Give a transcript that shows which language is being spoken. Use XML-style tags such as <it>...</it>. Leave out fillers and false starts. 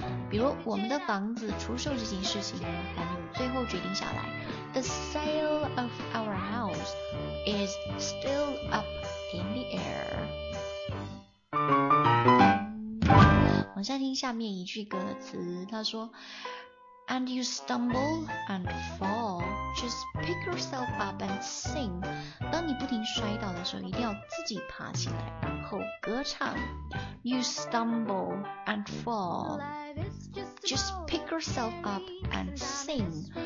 <zh>比如我们的房子出售这件事情呢，还没有最后决定下来。</zh> <en>The sale of our house is still up in the air。</en> <zh>往下听下面一句歌词，他说</zh> <en>And you stumble and fall, just pick yourself up and sing。</en> <zh>当你不停摔倒的时候，一定要自己爬起来然后歌唱。</zh> <en>You stumble and fall, just pick yourself up and sing。</en>